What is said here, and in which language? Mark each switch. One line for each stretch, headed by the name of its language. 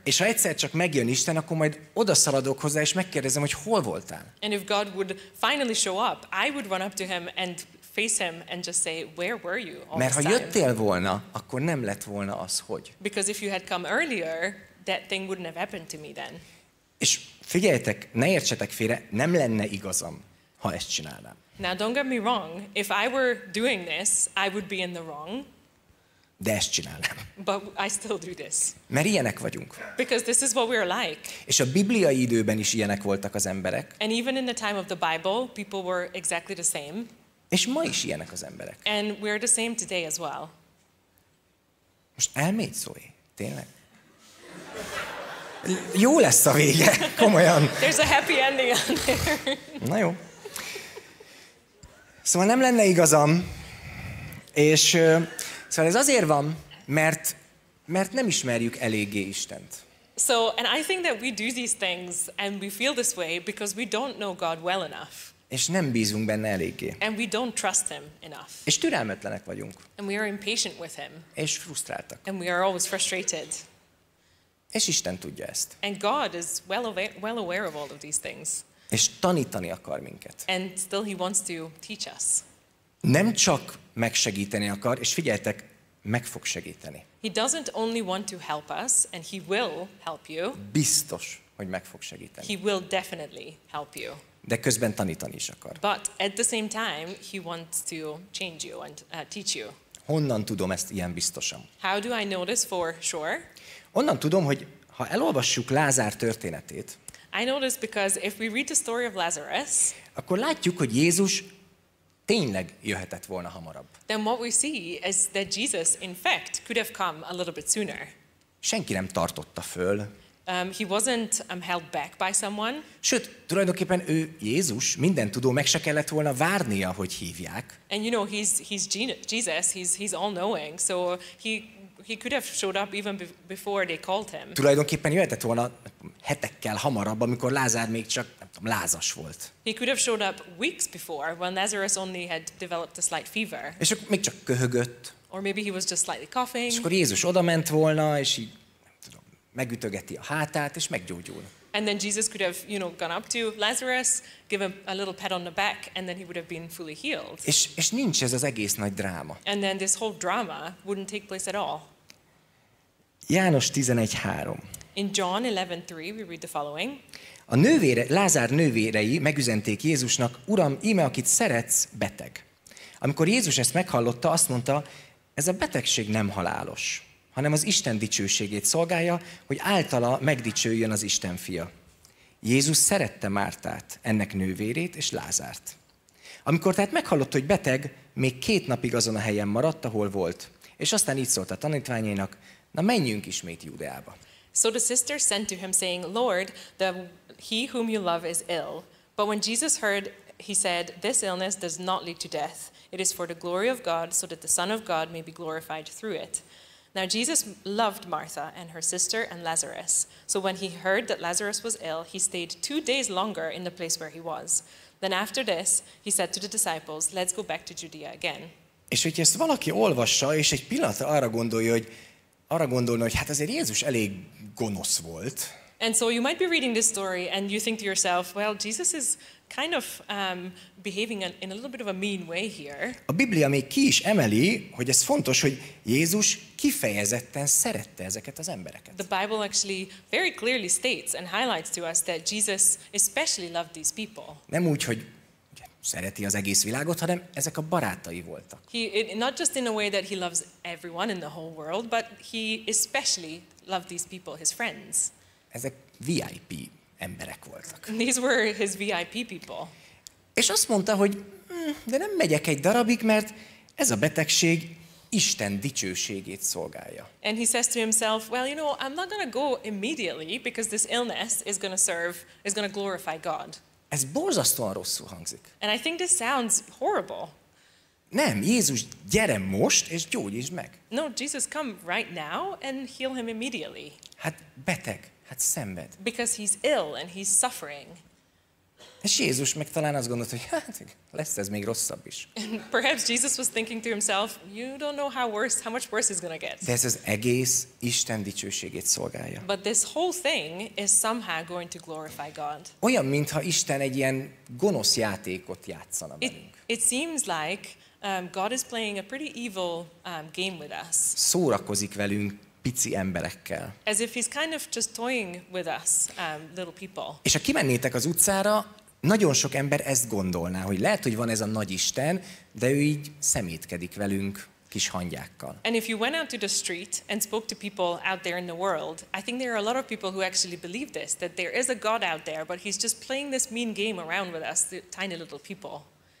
Hungarian: És ha egyszer csak megjön Isten, akkor majd odaszaladok hozzá, és megkérdezem, hogy hol voltál.
English: And if God would finally show up, I would run up to him and face him and just say, where were you all this time?
Hungarian: Mert ha jöttél volna, akkor nem lett volna az, hogy.
English: Because if you had come earlier, that thing wouldn't have happened to me then.
Hungarian: És figyeljetek, ne értsetek félre, nem lenne igazam, ha ezt csinálnám.
English: Now don't get me wrong, if I were doing this, I would be in the wrong.
Hungarian: De ezt csinálnám.
English: But I still do this.
Hungarian: Mert ilyenek vagyunk.
English: Because this is what we are like.
Hungarian: És a bibliai időben is ilyenek voltak az emberek.
English: And even in the time of the Bible, people were exactly the same.
Hungarian: És ma is ilyenek az emberek.
English: And we are the same today as well.
Hungarian: Most elmégy, Zoe, tényleg? Jó lesz a vége, komolyan.
English: There's a happy ending on there.
Hungarian: Na jó. Szóval nem lenne igazam, és szóval ez azért van, mert nem ismerjük eléggé Istent.
English: So, and I think that we do these things and we feel this way because we don't know God well enough.
Hungarian: És nem bízunk benne eléggé.
English: And we don't trust him enough.
Hungarian: És türelmetlenek vagyunk.
English: And we are impatient with him.
Hungarian: És frusztráltak.
English: And we are always frustrated.
Hungarian: És Isten tudja ezt.
English: And God is well aware of all of these things.
Hungarian: És tanítani akar minket.
English: And still he wants to teach us.
Hungarian: Nem csak megsegíteni akar, és figyeljetek, meg fog segíteni.
English: He doesn't only want to help us, and he will help you.
Hungarian: Biztos, hogy meg fog segíteni.
English: He will definitely help you.
Hungarian: De közben tanítani is akar.
English: But at the same time, he wants to change you and teach you.
Hungarian: Honnan tudom ezt ilyen biztosan?
English: How do I know this for sure?
Hungarian: Onnan tudom, hogy ha elolvassuk Lázár történetét,
English: I know this because if we read the story of Lazarus,
Hungarian: akkor látjuk, hogy Jézus tényleg jöhetett volna hamarabb.
English: Then what we see is that Jesus, in fact, could have come a little bit sooner.
Hungarian: Senki nem tartotta föl.
English: He wasn't held back by someone.
Hungarian: Sőt, tulajdonképpen ő Jézus, mindentudó, meg se kellett volna várnia, hogy hívják.
English: And you know, he's Jesus, he's all-knowing, so he could have showed up even before they called him.
Hungarian: Tulajdonképpen jöhetett volna hetekkel hamarabb, amikor Lázár még csak, nem tudom, lázas volt.
English: He could have showed up weeks before, when Lazarus only had developed a slight fever.
Hungarian: És akkor még csak köhögött.
English: Or maybe he was just slightly coughing.
Hungarian: És akkor Jézus odament volna, és így, megütögeti a hátát és meggyógyul.
English: And then Jesus could have, you know, gone up to Lazarus, give him a little pat on the back, and then he would have been fully healed.
Hungarian: És nincs ez az egész nagy dráma.
English: And then this whole drama wouldn't take place at all.
Hungarian: János 11:3.
English: In John 11:3 we read the following.
Hungarian: A nővére, Lázár nővérei megüzenték Jézusnak: Uram, íme akit szeretsz, beteg. Amikor Jézus ezt meghallotta, azt mondta: ez a betegség nem halálos, hanem az Isten dicsőségét szolgálja, hogy általa megdicsőjön az Isten fia. Jézus szerette Mártát, ennek nővérét és Lázárt. Amikor tehát meghallotta, hogy beteg, még két napig azon a helyen maradt, ahol volt, és aztán így szólt a tanítványainak: na menjünk ismét Júdeába.
English: So the sister sent to him saying, Lord, the he whom you love is ill. But when Jesus heard, he said, this illness does not lead to death. It is for the glory of God, so that the Son of God may be glorified through it. Now Jesus loved Martha and her sister and Lazarus. So when he heard that Lazarus was ill, he stayed 2 days longer in the place where he was. Then after this, he said to the disciples, let's go back to Judea again.
Hungarian: És hogyha ezt valaki olvassa, és egy pillanatra arra gondolna, hogy hát azért Jézus elég gonosz volt.
English: And so you might be reading this story and you think to yourself, well, Jesus is kind of behaving in a little bit of a mean way here.
Hungarian: A Biblia még ki is emeli, hogy ez fontos, hogy Jézus kifejezetten szerette ezeket az embereket.
English: The Bible actually very clearly states and highlights to us that Jesus especially loved these people.
Hungarian: Nem úgy, hogy szereti az egész világot, hanem ezek a barátai voltak.
English: Not just in a way that he loves everyone in the whole world, but he especially loved these people, his friends.
Hungarian: Ezek VIP emberek voltak.
English: These were his VIP people.
Hungarian: És azt mondta, hogy de nem megyek egy darabig, mert ez a betegség Isten dicsőségét szolgálja.
English: And he says to himself, well, you know, I'm not going to go immediately because this illness is going to serve, is going to glorify God.
Hungarian: Ez borzasztóan rosszul hangzik.
English: And I think this sounds horrible.
Hungarian: Nem, Jézus, gyere most és gyógyítsd meg.
English: No, Jesus, come right now and heal him immediately.
Hungarian: Hát beteg. Hát szenved.
English: Because he's ill and he's suffering.
Hungarian: És Jézus meg talán azt gondolta, hogy hát lesz ez még rosszabb is.
English: And perhaps Jesus was thinking to himself, you don't know how much worse it's gonna get.
Hungarian: De ez az egész Isten dicsőségét szolgálja.
English: But this whole thing is somehow going to glorify God.
Hungarian: Olyan, mintha Isten egy ilyen gonosz játékot játszana velünk.
English: It seems like God is playing a pretty evil game with us.
Hungarian: Szórakozik velünk pici emberekkel.
English: As if he's kind of just toying with us, little people.
Hungarian: És ha kimennétek az utcára, nagyon sok ember ezt gondolná, hogy lehet, hogy van ez a nagy Isten, de ő így szemétkedik velünk kis hangyákkal.
English: And if you went out to the street and spoke to people out there in the world, I think there are a lot of people who actually believe this, that there is a God out there, but he's just playing this mean game around with us, the tiny little people.